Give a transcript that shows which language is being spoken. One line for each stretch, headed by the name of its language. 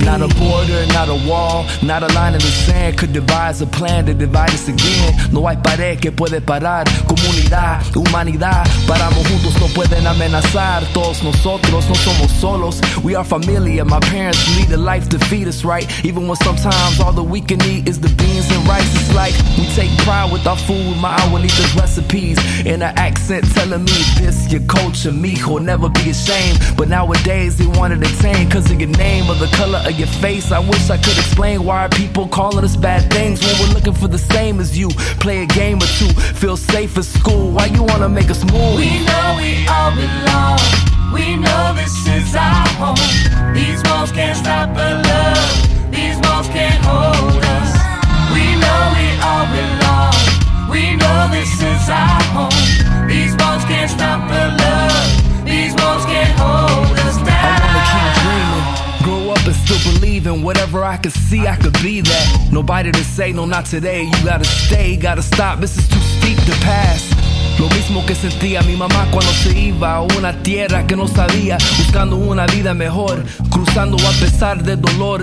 English: Not a border, not a wall, not a line in the sand could devise a plan to divide us again.
Spanish: No hay pared que puede parar. Comunidad, humanidad. Paramos juntos, no pueden amenazar. Todos nosotros, no somos solos.
English: We are familia. My parents lead a life to feed us right. Even when sometimes all that we can eat is the beans and rice. It's like we take pride with our food. My abuelita's recipes in an accent telling me this your culture, mijo. Never be ashamed. But nowadays they wanted to tame cause of your name or the color of your face. I wish I could explain why are people calling us bad things when we're looking for the same as you. Play a game or two, feel safe at school. Why you wanna make us move? We know we all belong. We know this is our home. These walls can't stop the love. These walls can't hold us. We know we all belong. We know this is our home. These walls can't stop the love. These walls can't hold us down. I wanna keep dreaming. Grow up and whatever I could see, I could be that. Nobody to say, no, not today. You gotta stay, gotta stop. This is too steep to pass.
Spanish: Lo mismo que sentía mi mamá cuando se iba a una tierra que no sabía, buscando una vida mejor, cruzando a pesar del dolor.